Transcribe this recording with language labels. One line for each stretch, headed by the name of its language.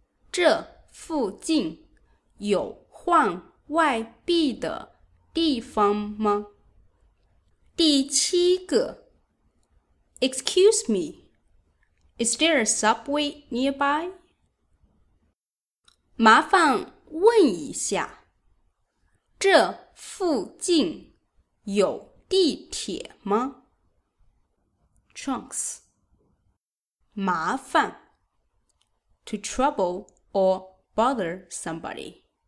Chinese: 这附近有换外币的地方吗？第七个。
English: Excuse me, Is there a subway nearby?
Chinese: 麻烦问一下，这附近有地铁吗？
English: Trunks，
Chinese: 麻烦
English: ，to trouble or bother somebody，